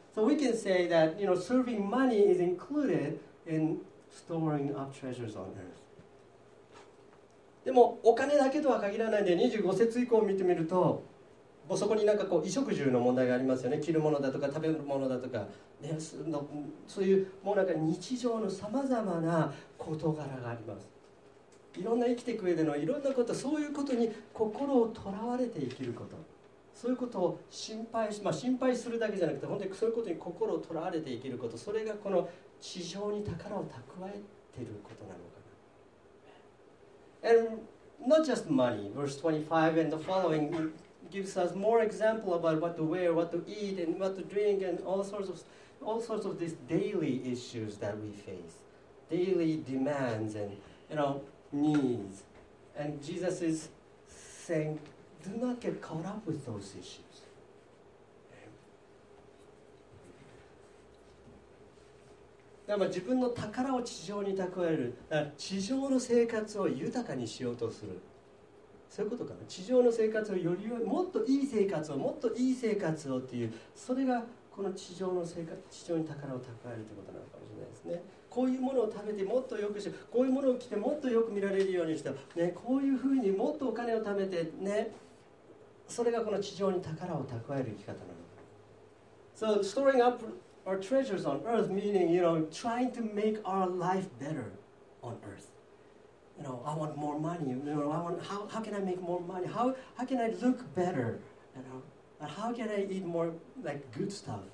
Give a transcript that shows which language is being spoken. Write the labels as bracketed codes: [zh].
[en] So we can say that, you know, serving money is included in storing up treasures on earth. [ja] でもお金だけとは限らないんで、25節以降を見てみると、もうそこになんかこう衣食住の問題がありますよね。着るものだとか食べるものだとか、ね、そういうもうなんか日常のさまざまな事柄があります。いろんな生きていく上でのいろんなこと、そういうことに心をとらわれて生きること、そういうことを心配し、まあ、心配するだけじゃなくて、本当にそういうことに心をとらわれて生きること、それがこの地上に宝を蓄えていることなのかな。 [en] And not just money, verse 25 and the following gives us more example about what to wear, what to eat, and what to drink, and all sorts of these daily issues that we face, daily demands and needs. And Jesus is saying, do not get caught up with those issues. [ja] だから自分の宝を地上に蓄える、地上の生活を豊かにしようとする。そういうことかな。地上の生活をより良い、もっといい生活を、もっといい生活をっていう、それがこの地上の生活、地上に宝を蓄えるということなのかもしれないですね。こういうものを食べてもっと良くして、こういうものを着てもっと良く見られるようにして、ね、こういうふうにもっとお金を貯めて、ね、それがこの地上に宝を蓄える生き方なの。 [en] So, storing up our treasures on earth, meaning, you know, trying to make our life better on earth. You know, I want more money. You know, I want how can I make more money? How can I look better? You know, and how can I eat more like good stuff?